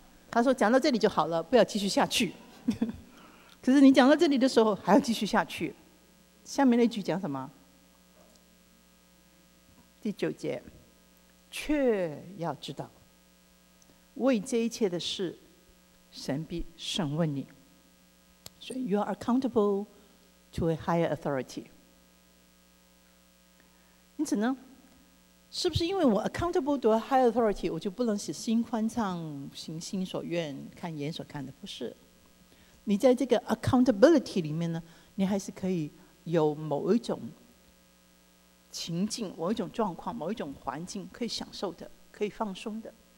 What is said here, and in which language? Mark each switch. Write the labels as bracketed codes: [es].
[zh] 他说讲到这里就好了，不要继续下去。可是你讲到这里的时候，还要继续下去。下面那句讲什么？第9，却要知道，为这一切的事，神必审问你。 [en] So you are accountable to a higher authority. [zh] 因此呢，是不是因为我 [en] accountable to a higher authority， [zh] 我就不能使心宽敞，行心所愿，看眼所看的？不是。你在这个 accountability 里面呢，你还是可以有某一种情境，某一种状况，某一种环境可以享受的，可以放松的。